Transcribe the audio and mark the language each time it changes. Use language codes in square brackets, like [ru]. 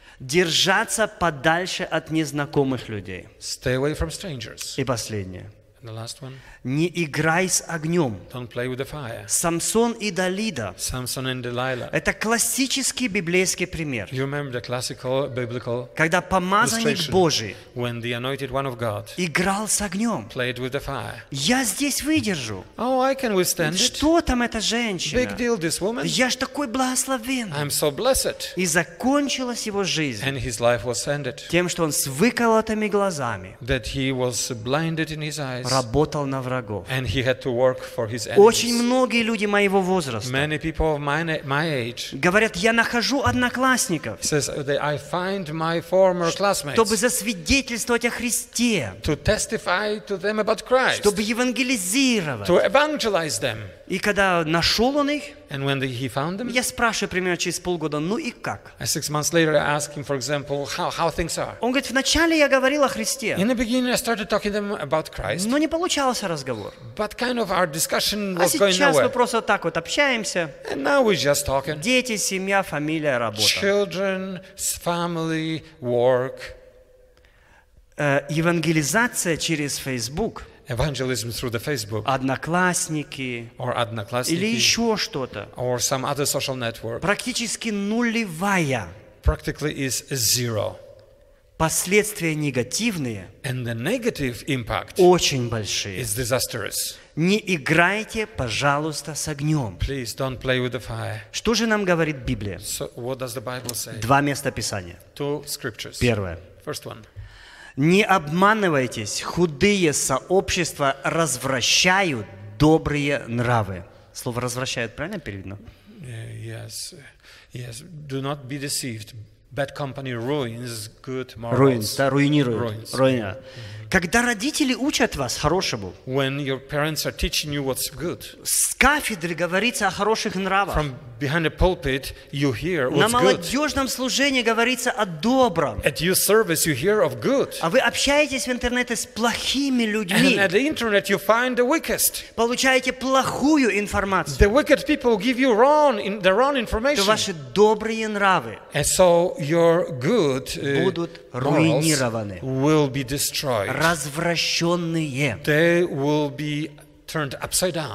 [ru] Держаться подальше от незнакомых людей. [en] Stay away from strangers. [ru] И последнее. [en] And the last one. [ru] Не играй с огнем. [en] Don't play with the fire. [ru] Самсон и Далида. [en] Samson and Delilah. [ru] Это классический библейский пример. [en] You remember the classical biblical illustration? [ru] Когда помазанник Божий. [en] When the anointed one of God. [ru] Играл с огнем. [en] Played with the fire. [ru] Я здесь выдержу. [en] Oh, I can withstand it. [ru] Что там эта женщина? [en] Big deal, this woman. [ru] Я ж такой благословенный. [en] I'm so blessed. [ru] И закончилась его жизнь. [en] And his life was ended. [ru] Тем, что он с выколотыми глазами. [en] That he was blinded in his eyes. [ru] Работал на врагов. [en] And he had to work for his enemies. [ru] Очень многие люди моего возраста. [en] Many people of my age. [ru] Говорят, я нахожу одноклассников. [en] Says that I find my former classmates. [ru] Чтобы засвидетельствовать о Христе. [en] To testify to them about Christ. [ru] Чтобы евангелизировать. [en] To evangelize them. [ru] И когда нашел он их, [en] and when he found them, [ru] я спрашиваю примерно через полгода, ну и как? [en] Six months later, I ask him, for example, how things are. [ru] Он говорит, вначале я говорил о Христе. [en] In the beginning, I started talking to them about Christ. [ru] Но не получался разговор. [en] But kind of our discussion [ru] а [en] was going nowhere. [ru] А сейчас мы просто так вот общаемся. [en] And now we're just talking. [ru] Дети, семья, фамилия, работа. [en] Children, family, work. [ru] Евангелизация через Facebook. [en] Evangelism through the Facebook, [ru] одноклассники, [en] or одноклассники, [ru] или еще что-то, [en] or some other social network, [ru] практически нулевая, [en] practically is zero. [ru] Последствия негативные, [en] and the negative impact, [ru] очень большие, [en] is disastrous. [ru] Не играйте, пожалуйста, с огнем. [en] Please don't play with the fire. [ru] Что же нам говорит Библия? [en] So what does the Bible say? [ru] Два места Писания. [en] Two scriptures. [ru] Первое. [en] First one. [ru] Не обманывайтесь, худые сообщества развращают добрые нравы. Слово «развращают» правильно переведено? [en] Yes, yes. Do not be deceived. Bad company ruins good morals. [ru] Ruins, да, руинирует. [en] Mm-hmm. [ru] Когда родители учат вас хорошему, [en] when your parents are teaching you what's good, [ru] с кафедры говорится о хороших нравах. [en] From behind the pulpit, you hear what's [ru] на молодежном служении говорится о добром. [en] At youth service, you hear of good. [ru] А вы общаетесь в интернете с плохими людьми. [en] And at the internet, you find the weakest. [ru] Получаете плохую информацию. [en] The wicked people give you wrong, the wrong information. [ru] То ваши добрые нравы. [en] And so your good, [ru] будут руинированы. [en] Will be destroyed. [ru] Развращенные. [en] They will be turned upside down.